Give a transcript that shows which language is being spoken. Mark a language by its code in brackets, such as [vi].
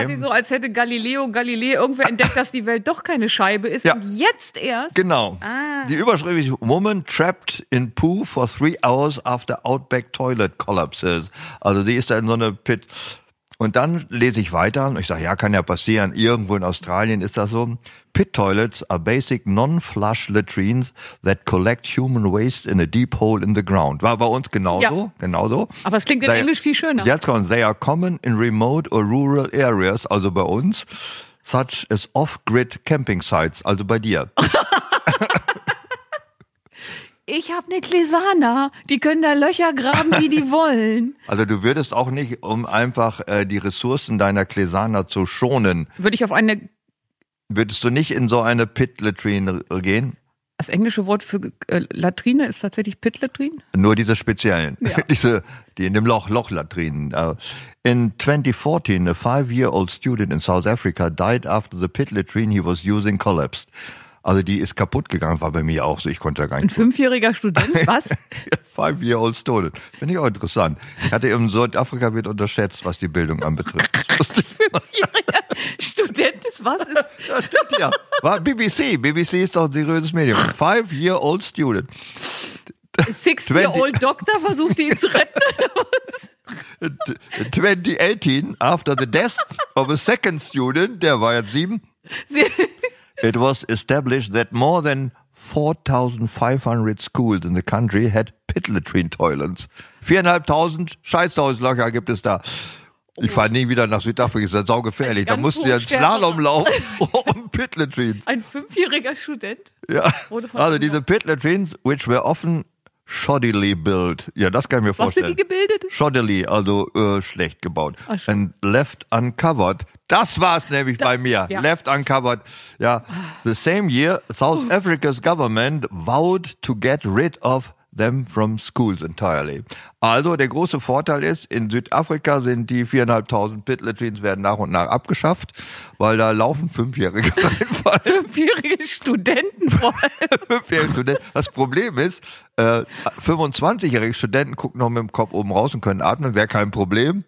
[de] Quasi so, als hätte Galileo Galilei irgendwer entdeckt, dass die Welt doch keine Scheibe ist. Ja. Und jetzt erst. Genau. Ah. Die Überschrift ist: [en] Woman trapped in poo for 3 hours after outback toilet collapses. [de] Also die ist da in so eine Pit. Und dann lese ich weiter und ich sage, ja, kann ja passieren, irgendwo in Australien ist das so. [en] Pit toilets are basic non-flush latrines that collect human waste in a deep hole in the ground. [de] War bei uns genauso, ja. Genauso. Aber es klingt in Englisch viel schöner. Jetzt kommt, [en] they are common in remote or rural areas, [de] also bei uns, [en] such as off-grid camping sites, [de] also bei dir. Ich habe eine Klesana, die können da Löcher graben, wie die wollen. Also du würdest auch nicht, um einfach die Ressourcen deiner Klesana zu schonen. Würde ich auf eine... Würdest du nicht in so eine Pit-Latrine gehen? Das englische Wort für Latrine ist tatsächlich Pit-Latrine? Nur diese speziellen, ja. die in dem Loch, Loch-Latrinen. [en] In 2014, a 5-year-old student in South Africa died after the Pit-Latrine he was using collapsed. [de] Also die ist kaputt gegangen, war bei mir auch so, ich konnte da gar nicht. Ein 5-jähriger Student, was? [en] 5-year-old student. [de] Finde ich auch interessant. Ich hatte eben, Südafrika wird unterschätzt, was die Bildung anbetrifft. 5-jähriger Student ist was? Das stimmt ja. War BBC. BBC ist doch ein seriöses Medium. [en] 5-year-old student. 6-year-old doctor [de] versucht ihn zu retten. [en] 2018, after the death of a second student, [de] der war jetzt 7. [en] It was established that more than 4,500 schools in the country had pit latrine toilets. [de] 4,500 Scheißhauslöcher gibt es da. Ich fahre nie wieder nach Südafrika, ist ja saugefährlich. Da musst du ja einen Slalom laufen um pit latrines. Ein 5-jähriger Student? Ja. Also diese [en] pit latrines, which were often shoddily built. [de] Ja, das kann ich mir vorstellen. Was sind die gebildet? [en] Shoddily, [de] also schlecht gebaut. Ach, [en] and left uncovered. [de] Das war's nämlich bei mir. [en] Ja. Left uncovered. Ja. The same year, South Africa's government vowed to get rid of them from schools entirely. [de] Also, der große Vorteil ist, in Südafrika sind die 4.500 Pit Latrines werden nach und nach abgeschafft, weil da laufen 5-Jährige reinfallen. 5-jährige Studenten vor allem. 5-jährige Studenten. Das Problem ist, 25-jährige Studenten gucken noch mit dem Kopf oben raus und können atmen, wäre kein Problem.